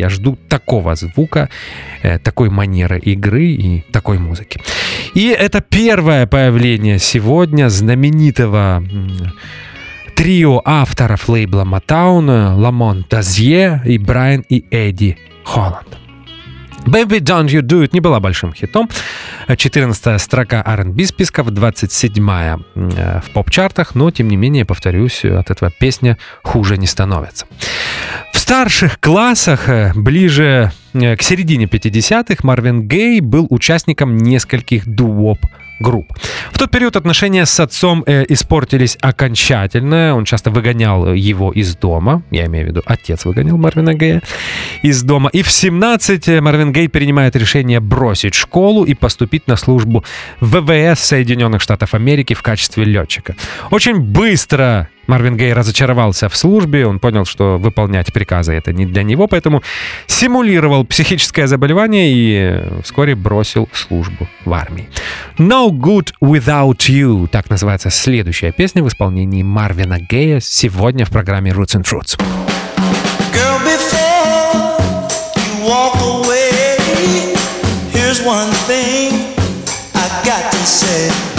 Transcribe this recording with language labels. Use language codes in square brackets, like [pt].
[ru] Я жду такого звука, такой манеры игры и такой музыки. И это первое появление сегодня знаменитого трио авторов лейбла Motown — Ламон Дозье и Брайан и Эдди Холланд. Baby Don't You Do It не была большим хитом. 14-я строка R&B списков, 27-я в поп-чартах, но, тем не менее, повторюсь, от этого песня хуже не становится. В старших классах, ближе к середине 50-х, Марвин Гей был участником нескольких дуоп групп. В тот период отношения с отцом испортились окончательно. Он часто выгонял его из дома. Я имею в виду, отец выгонял Марвина Гея из дома. И в 17 Марвин Гей принимает решение бросить школу и поступить на службу в ВВС Соединенных Штатов Америки в качестве летчика. Очень быстро Марвин Гей разочаровался в службе. Он понял, что выполнять приказы — это не для него, поэтому симулировал психическое заболевание и вскоре бросил службу в армии. No Good Without You — так называется следующая песня в исполнении Марвина Гея сегодня в программе Roots and Fruits. [en] Girl, before you walk away, here's one thing I got to say.